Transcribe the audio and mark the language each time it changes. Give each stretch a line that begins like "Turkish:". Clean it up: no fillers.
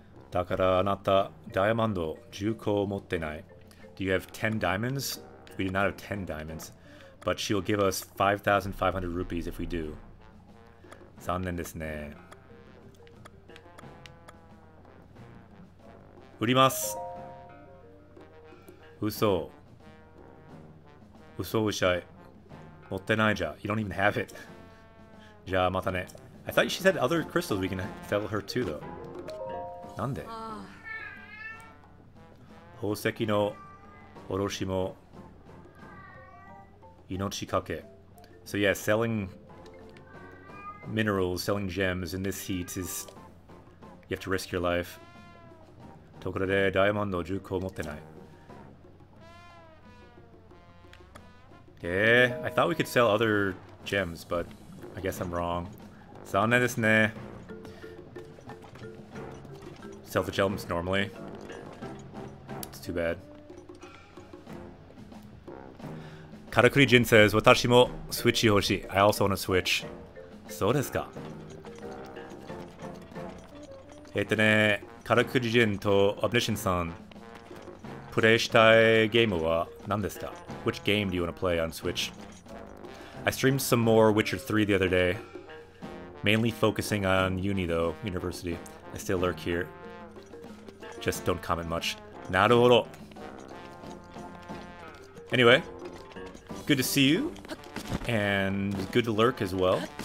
Japanese: だからあなたダイヤモンド10個持ってない.
English: Do you have 10 diamonds? We do not have 10 diamonds, but she will give us 5,500 rupees if we do.
Japanese: 残念ですね. 売ります.嘘.
English: You don't even have it.
Japanese: じゃあまたね.
English: I thought she said other crystals we can sell her too, though.
Japanese: なんで? 宝石の卸も命かけ.
English: So yeah, selling minerals, selling gems in this heat is... You have to risk your life.
Japanese: ところでダイヤモンド10個持ってない.
English: Yeah, I thought we could sell other gems, but I guess I'm wrong.
Japanese: 残念ですね.
English: Sell the gems normally. It's too bad. Karakuri Jin says,
Japanese: 私もスイッチ欲しい.
English: I also want a switch.
Japanese: そうですか.
English: Karakuri Jin to Omniscient-san.
Japanese: プレイしたいゲームは何ですか?
English: Which game do you want to play on Switch? I streamed some more Witcher 3 the other day. Mainly focusing on uni though, university. I still lurk here. Just don't comment much.
Japanese: なるほど.
English: Anyway, good to see you. And good to lurk as well.